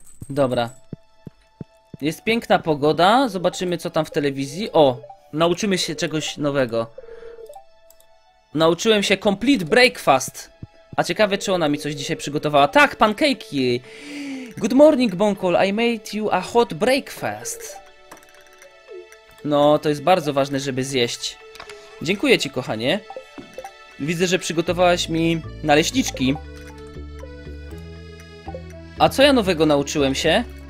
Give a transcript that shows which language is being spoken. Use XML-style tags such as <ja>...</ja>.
<pl>Dobra. Jest piękna pogoda. Zobaczymy, co tam w telewizji. O! Nauczymy się czegoś nowego. Nauczyłem się</pl> <en>complete breakfast.</en> <pl>A ciekawe, czy ona mi coś dzisiaj przygotowała. Tak, pancake'i!</pl> <en>Good morning,</en> <pl>Bonkol.</pl> <en>I made you a hot breakfast.</en> <pl>No, to jest bardzo ważne, żeby zjeść. Dziękuję ci, kochanie. Widzę, że przygotowałaś mi naleśniczki. A co ja nowego nauczyłem się?</pl>